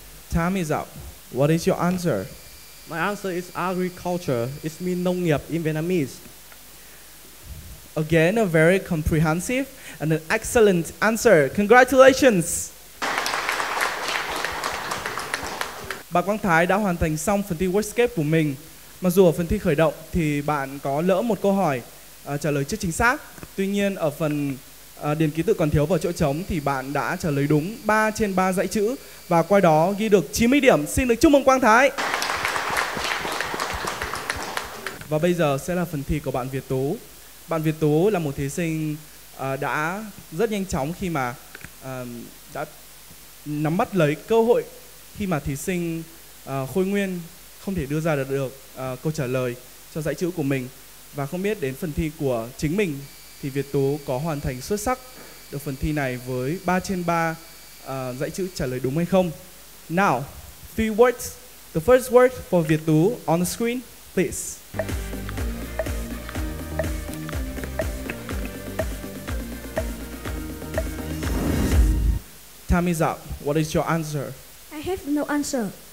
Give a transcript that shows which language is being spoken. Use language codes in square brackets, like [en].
[en] Time is up. What is your answer? My answer is agriculture. It means [vi] nông nghiệp [en] in Vietnamese. Again, a very comprehensive and an excellent answer. Congratulations! [vi] Bạn Quang Thái đã hoàn thành xong phần thi Wordscape của mình. Mặc dù ở phần thi khởi động thì bạn có lỡ một câu hỏi trả lời chưa chính xác. Tuy nhiên ở phần điền ký tự còn thiếu vào chỗ trống thì bạn đã trả lời đúng 3 trên 3 dãy chữ và qua đó ghi được 90 điểm. Xin được chúc mừng Quang Thái! Và bây giờ sẽ là phần thi của bạn Việt Tú. Bạn Việt Tú là một thí sinh đã rất nhanh chóng khi mà đã nắm bắt lấy cơ hội khi mà thí sinh Khôi Nguyên không thể đưa ra được câu trả lời cho dãy chữ của mình. Và không biết đến phần thi của chính mình thì Việt Tú có hoàn thành xuất sắc được phần thi này với 3 trên 3 dãy chữ trả lời đúng hay không. [en] Now, three words. The first word for Việt Tú on the screen, please. Time is up. What is your answer? I have no answer.